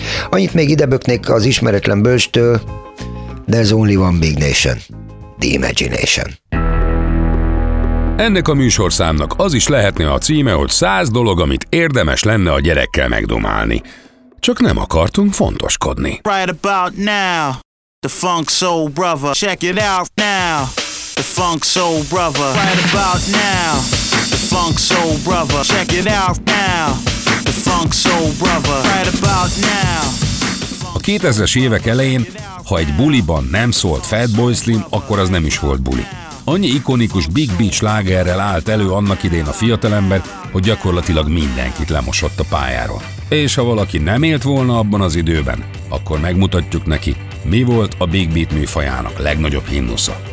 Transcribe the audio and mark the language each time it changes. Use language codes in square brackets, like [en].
[hu] Annyit még ideböknék az ismeretlen bölcstől, [en] there's only one big nation, the imagination. [hu] Ennek a műsorszámnak az is lehetne a címe, hogy 100 dolog, amit érdemes lenne a gyerekkel megdumálni. Csak nem akartunk fontoskodni. [en] Right about now, the funk soul brother, check it out now. The funk soul brother, right about now. The funk soul brother, check it out now. The funk soul brother, right about now. [hu] A 2000-es évek elején, ha egy buliban nem szólt Fatboy Slim, akkor az nem is volt buli. Annyi ikonikus Big Beach lágerrel állt elő annak idén a fiatalember, hogy gyakorlatilag mindenkit lemosott a pályáról. És ha valaki nem élt volna abban az időben, akkor megmutatjuk neki, mi volt a Big Beat műfajának legnagyobb himnusza.